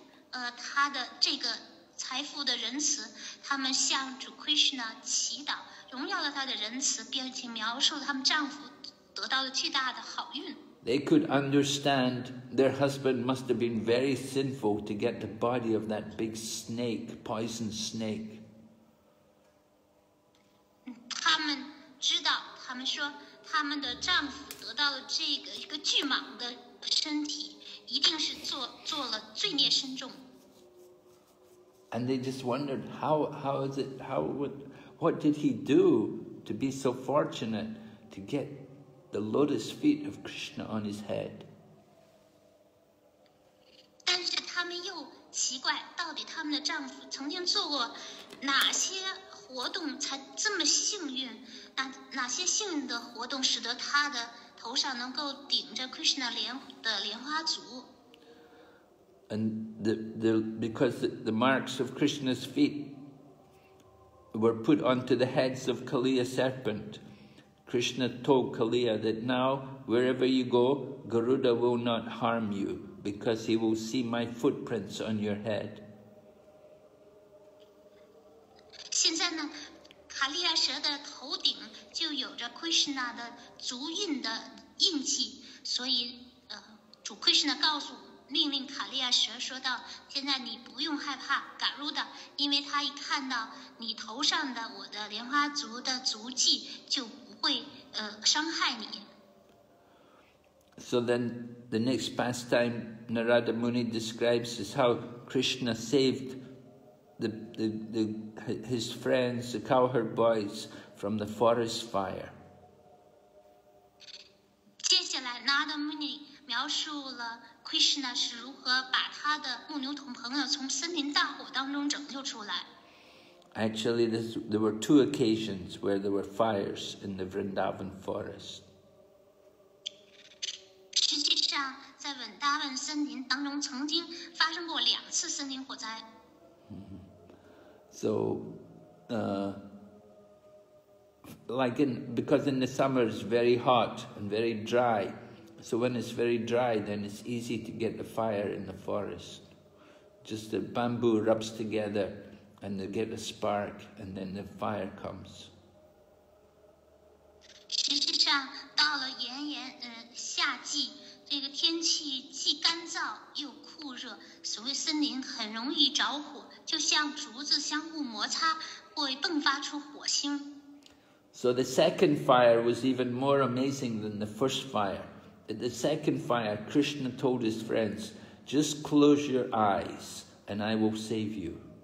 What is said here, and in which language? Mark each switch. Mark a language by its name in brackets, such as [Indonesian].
[Chinese] 他的这个财富的仁慈，他们向主 Krishna 祈祷，荣耀了他的仁慈，并且描述他们丈夫得到了巨大的好运。 [English] They could understand their husband must have been very sinful to get the body of that big snake, poison snake. [Chinese] 他们知道，他们说他们的丈夫得到了这个一个巨蟒的身体，一定是做了罪孽深重。 [English] And they just wondered how is it, how would, what did he do to be so fortunate to get the lotus feet of Krishna on his head? [Chinese] 但是他们又奇怪，到底他们的丈夫曾经做过哪些活动才这么幸运？哪些幸运的活动使得他的头上能够顶着 Krishna 的莲花足？ [English] And the because the marks of Krishna's feet were put onto the heads of Kaliya serpent, Krishna told Kaliya that now wherever you go, Garuda will not harm you because he will see my footprints on your head. [Chinese] 现在呢，卡利亚蛇的头顶就有着 Krishna 的足印的印记，所以主 Krishna 告诉。命令卡利亚蛇说道：“现在你不用害怕嘎鲁达，因为他一看到你头上的我的莲花族的足迹，就不会伤害你。” [English] So then, the next pastime Narada Muni describes is how Krishna saved the his friends, the cowherd boys, from the forest fire. [Chinese] 接下来 ，Narada Muni 描述了。Krishna 是如何把他的牧牛童朋友从森林大火当中拯救出来 [English] ？Actually, there were two occasions where there were fires in the Vrindavan forest. [Chinese] 实际上，在 Vrindavan 森林当中曾经发生过两次森林火灾。 [English] So, like in because in the summer it's very hot and very dry. So when it's very dry, then it's easy to get the fire in the forest. Just the bamboo rubs together, and they get a spark, and then the fire comes. [Chinese] 实际上，到了夏季，这个天气既干燥又酷热，所谓森林很容易着火，就像竹子相互摩擦，会迸发出火星。 [English] So the second fire was even more amazing than the first fire. At the second fire, Krishna told his friends, just close your eyes and I will save you.